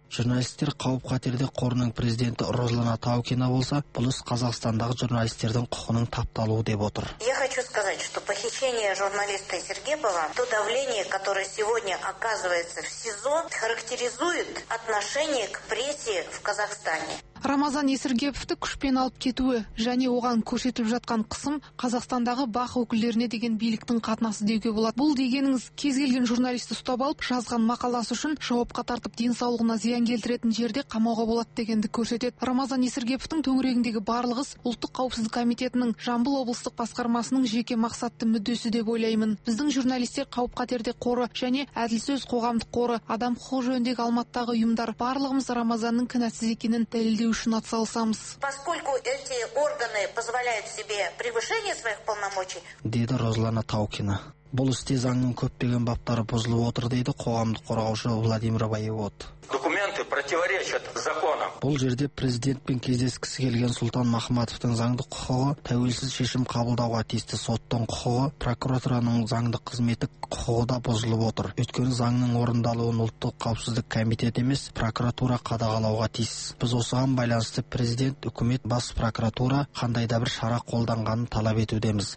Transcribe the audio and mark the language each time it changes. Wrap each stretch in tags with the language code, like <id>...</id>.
<kk>Журналистер қауіп-қатерде қорының президенті Розлан Атаукина болса, бұл іс Қазақстандағы журналистердің құқының тапталуы деп отыр.</kk> <ru>Я хочу сказать, что похищение журналиста Сергепова, то давление, которое сегодня оказывается в СИЗО, характеризует отношение к прессе в Казахстане.</ru> <kk>Рамазан Есіргеповті күшпен алып кетуі және оған көрсетіліп жатқан қысым Қазақстандағы бақ өкілдеріне деген биліктің қатынасы деуге болады. Бұл дегеніңіз кез келген журналисті ұстап алып, жазған мақаласы үшін жауапқа тартып, денсаулығына зиян келтіретін жерде қамауға болады дегенді көрсетеді. Рамазан Есіргеповтің төңірегіндегі барлығы Ұлттық қауіпсіздік комитетінің Жамбыл облыстық басқармасының жеке мақсатты мүддесі деп ойлаймын. Біздің журналистер қауіп-қатерде қоры және әділ сөз қоғамдық қоры, адам құқығы жөніндегі Алматыдағы ұйымдар барлығымыз Рамазанның кінәсіз екенін дәлелдейді.</kk> <ru>Поскольку эти органы позволяют себе превышение своих полномочий,</ru> <kk>деді Розлана Таукина. Бұл істе заңның көптеген баптары бұзылып отыр, дейді қоғамдық қорғаушы Владимир Баевот.</kk> <ru>Документы противоречат закону.</ru> <kk>Бұл жерде президентпен кездескісі келген Султан Махматовтың заңдық құқығы тәуелсіз шешім қабылдауға тиісті соттың құқығы, прокуратураның заңдық қызметі құқығы да бұзылып отыр. Өйткені заңның орындалуын Ұлттық қауіпсіздік комитеті емес, прокуратура қадағалауға тиіс. Біз осыған байланысты президент, үкімет, бас прокуратура қандай да бір шара қолданғанын талап етудеміз.</kk>